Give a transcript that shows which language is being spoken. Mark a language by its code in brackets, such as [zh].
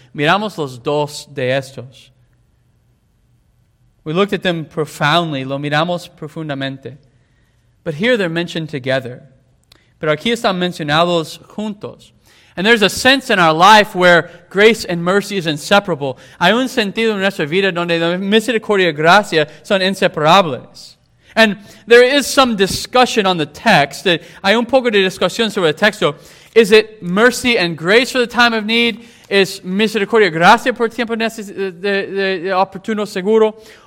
[es] Miramos los dos de estos. [en] We looked at them profoundly. [es] Lo miramos profundamente. [en] But here they're mentioned together. [es] Pero aquí están mencionados juntos. [en] And there's a sense in our life where grace and mercy is inseparable. [es] Hay un sentido en nuestra vida donde la misericordia y gracia son inseparables. [en] And there is some discussion on the text. [es] Hay un poco de discusión sobre el texto. [en] Is it mercy and grace for the time of need? [es] Is misericordia y gracia por tiempo de oportuno seguro?